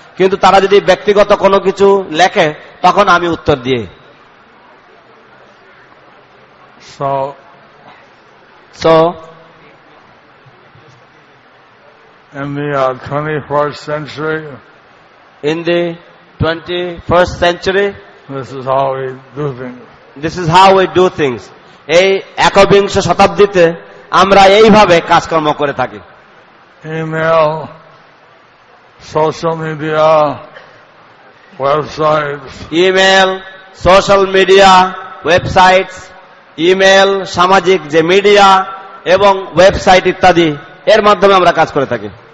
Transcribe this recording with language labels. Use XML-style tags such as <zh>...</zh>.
<bn>কিন্তু তারা যদি ব্যক্তিগত কোনো কিছু লেখে তখন আমি উত্তর দিই।</bn> <en>So, in the 21st century, this is how we do things.</en> <bn>এই একবিংশ শতাব্দীতে আমরা এইভাবে কাজকর্ম করে থাকি।</bn> <en>email, social media, website,</en> <bn>email, সামাজিক যে মিডিয়া এবং ওয়েবসাইট ইত্যাদি, এর মাধ্যমে আমরা কাজ করে থাকি।</bn>